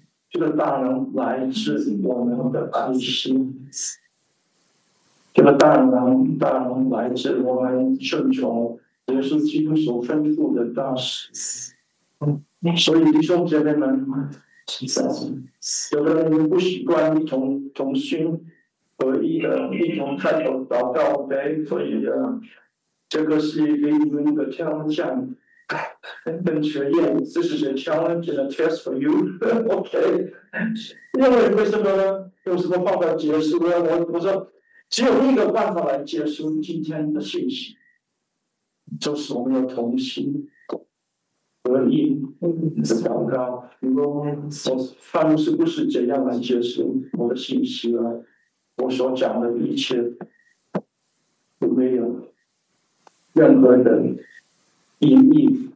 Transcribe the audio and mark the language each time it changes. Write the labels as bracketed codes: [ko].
[zh] 这个大能来自我们的爱心，这个大能来自我们顺从耶稣基督所吩咐的大使。所以弟兄姐妹们， [en] Jesus. [zh] 有的人不习惯一同同心合一的一同开口祷告，所以这个是给你们的挑战。 [en] And sure, yeah, this is a challenge and a test for you. Okay. [zh] 因为为什么有什么方法结束呢？我说只有一个办法来结束今天的信息，就是我们要同心合一的祷告。如果我范牧师不是这样来结束我的信息呢，我所讲的一切都没有任何人意义。